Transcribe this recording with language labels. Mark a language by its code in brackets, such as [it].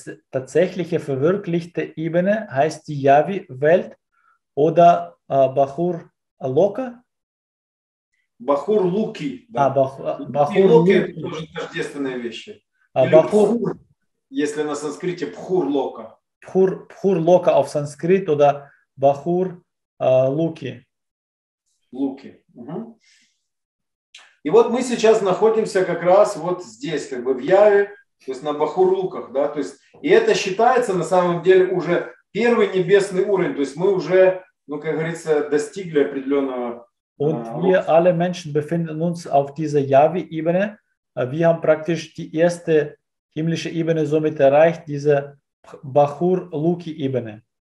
[de] Tatsächliche verwirklichte Ebene heißt die Yavi-Welt oder Bahur Loka? Bahur Luki. [ru] Да. Bahur Luki – это тоже тождественные вещи. Bahur, если на санскрите Bahur Loka. [de] Bahur Loka auf Sanskrit oder Bahur Luki. Luki. [ru] Угу. И вот мы сейчас находимся как раз вот здесь, как бы в Яви, то есть на Бахур-Луках, да, то есть и это считается на самом деле уже первый небесный уровень, то есть мы уже, ну, как говорится, достигли определенного... [de] Und wir alle Menschen befinden uns auf dieser Yavi-Ebene. Wir haben praktisch die erste himmlische Ebene somit erreicht, diese Bahur-Luki-Ebene.